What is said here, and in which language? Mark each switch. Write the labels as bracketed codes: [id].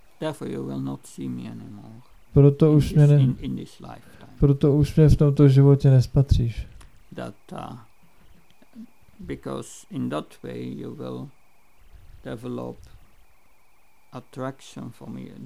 [en] Therefore you will not see me anymore. [cs] Proto už mě ne, [en] in this lifetime. [cs] Proto už mě v tomto životě nespatříš. [en] That, because in that way you will develop attraction for me.